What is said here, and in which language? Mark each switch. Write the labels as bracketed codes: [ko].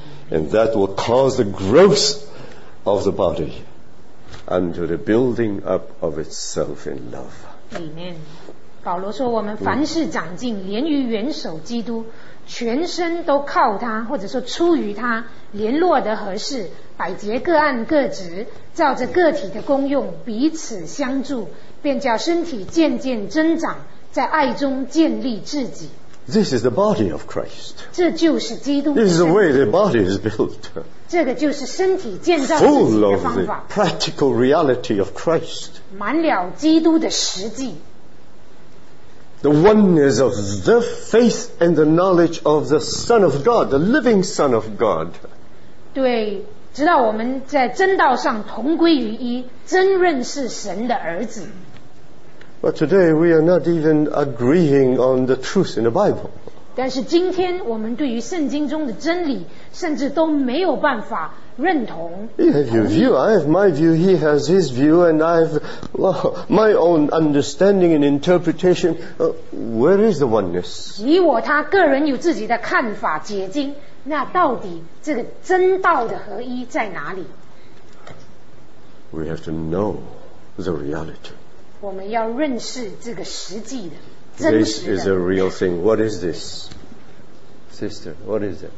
[en] And that will cause the growth of the body unto the building up of itself in love. Amen. [zh] 保罗说我们凡事长进连于元首基督全身都靠他或者说出于他联络得合适百节各按各职照着个体的功用彼此相助便叫身体渐渐增长在爱中建立自己。 [en] This is the body of Christ. [zh] 这就是基督。 [en] This is the way the body is built. [zh] 这个就是身体建造自己的方法。 [en] Full of the practical reality of Christ. [zh] 满了基督的实际。 [en] The oneness of the faith and the knowledge of the Son of God, the living Son of God. [zh] 对，直到我们在真道上同归于一，真认识神的儿子。 [en] But today we are not even agreeing on the truth in the Bible. [zh] 但是今天我们对于圣经中的真理，甚至都没有办法认同。 [en] You have your view, I have my view, he has his view, and I have my own understanding and interpretation. Where is the oneness? [zh] 你我他个人有自己的看法解经，那到底这个真道的合一在哪里？ [en] We have to know the reality. [zh] 我们要认识这个实际的真实的。 [en] This is a real thing. What is this, sister? What is it?